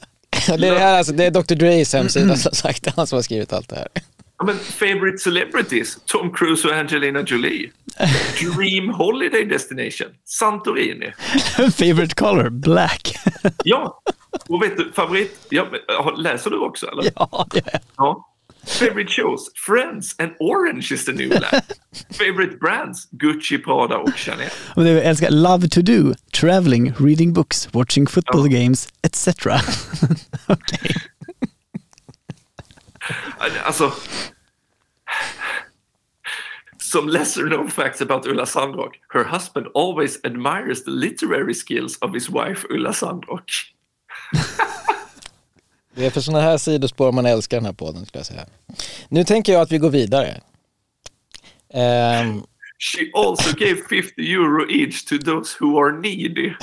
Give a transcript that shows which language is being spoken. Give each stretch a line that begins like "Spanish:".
Swedish: Det är, det, här, alltså, det är Dr. Dre's hemsida som sagt, han som har skrivit allt det här.
English: I mean, favorite celebrities, Tom Cruise och Angelina Jolie. Dream holiday destination, Santorini. Favorite color, black.
Swedish: Ja, och vet du, favorit, läser du också eller? Ja.
English: Favorite shows, Friends and Orange is the new black. Favorite brands, Gucci, Prada och Chanel.
Swedish: Och det jag älskar,
English: love to do, traveling, reading books, watching football games, etc.
Swedish: Okej.
English: Okay. Alltså, some lesser known facts about Ulla Sandrock. Her husband always admires the literary skills of his wife Ulla Sandrock.
Swedish: Det är för sådana här sidospår man älskar den här podden, skulle jag säga. Nu tänker jag att vi går vidare.
English: She also gave 50 euro each to those who are needy.